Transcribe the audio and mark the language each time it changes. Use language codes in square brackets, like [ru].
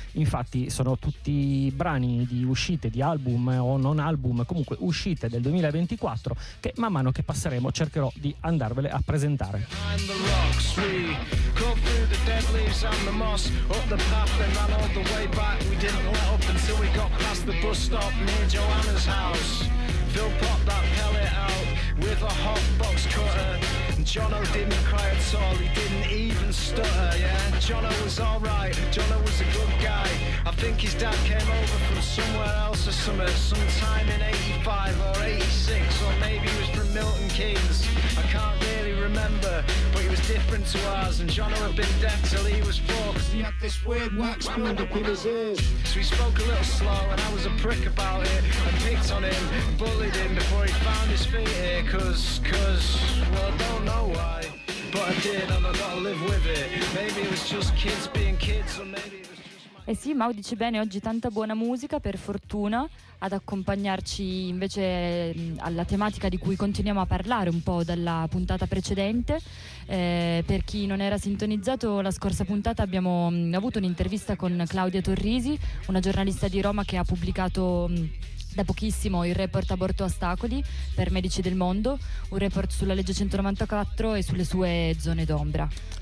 [it] Infatti sono tutti brani di uscite di album o non album, comunque uscite del 2024, che man mano che passeremo cercherò di andarvele a presentare. [en] Let up until we got past the bus stop near Joanna's house. Phil popped that pellet out with a hot box cutter. Jono didn't cry at all, he didn't even stutter, yeah. Jono was alright, Jono was a good guy. I think his dad came over from somewhere else or somewhere, sometime in 85 or 86, or maybe he was from Milton Keynes. I can't really remember, but he was different to ours, and Jono had been deaf till he was four, cause he had this weird wax pulled up in his ears. So he spoke a little slow, and I was a prick about it, and picked on him, bullied him before he found his feet here, cause, well, don't know why, but I did, and I gotta live with it. Maybe it was just kids being kids, or maybe... [it] Eh sì, Mau dice bene, oggi tanta buona musica, per fortuna, ad accompagnarci invece alla tematica di cui continuiamo a parlare un po' dalla puntata precedente. Per chi non era sintonizzato, la scorsa puntata abbiamo avuto un'intervista con Claudia Torrisi, una giornalista di Roma che ha pubblicato da pochissimo il report Aborto Ostacoli per Medici del Mondo, un report sulla legge 194 e sulle sue zone d'ombra.